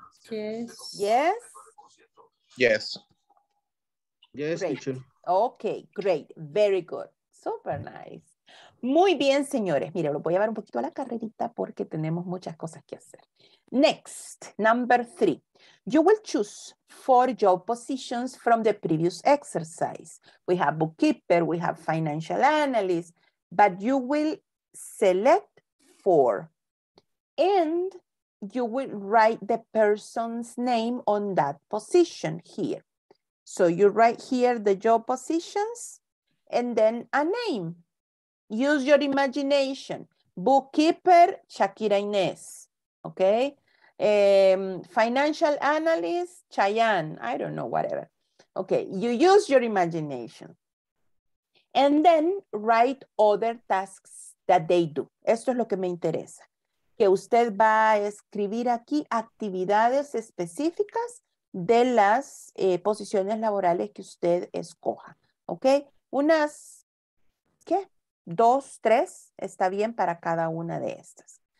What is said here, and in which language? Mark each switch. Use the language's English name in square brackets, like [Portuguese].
[English] Yes. Yes? Yes. Great. Yes, teacher. Okay, great. Very good. Super nice. [Spanish] Muy bien, señores. Mire, lo voy a llevar un poquito a la carrerita porque tenemos muchas cosas que hacer. [English] Next, number three. You will choose four job positions from the previous exercise. We have bookkeeper, we have financial analyst, but you will select four. And you will write the person's name on that position here. So you write here the job positions and then a name. Use your imagination. Bookkeeper, Shakira Inés. Okay. Financial analyst, Chayanne. I don't know, whatever. Okay. You use your imagination. And then write other tasks that they do. [Spanish] Esto es lo que me interesa. Que usted va a escribir aquí actividades específicas de las posiciones laborales que usted escoja. Okay. Unas, ¿qué? Dos, tres, está bien para cada una de estas.